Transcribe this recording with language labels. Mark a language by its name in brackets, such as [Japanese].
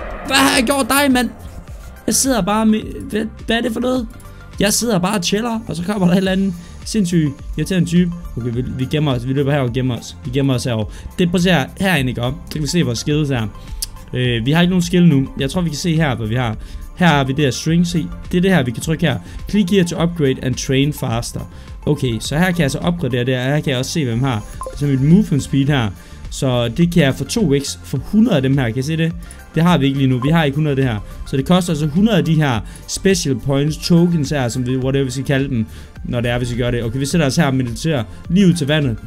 [Danish] Hvad har jeg gjort dig, mand? Jeg sidder bare med... Hvad er det for noget? Jeg sidder bare og chiller, og så kommer der et eller andet sindssygt irriterende type. Okay, vi gemmer os. Vi løber her og gemmer os. Vi gemmer os herovre. Det prøver jeg herinde, ikke op? Så kan vi se, hvor skillet er. Vi har ikke nogen skill nu. Jeg tror, vi kan se her, hvad vi har. Her har vi det her string. Se, det er det her, vi kan trykke her. [English] Click here to upgrade and train faster. [Danish] Okay, så her kan jeg så opgradere det her. Her kan jeg også se, hvem har. Så mit movement speed her. Så det kan jeg få 2x for 100 af dem her. Kan I se det? Det har vi ikke lige nu. Vi har ikke 100 af det her. Så det koster altså 100 af de her special points, tokens her, som vi, whatever vi skal kalde dem, når det er, hvis vi gør det. Okay, vi sætter os her og mediterer lige ud til vandet.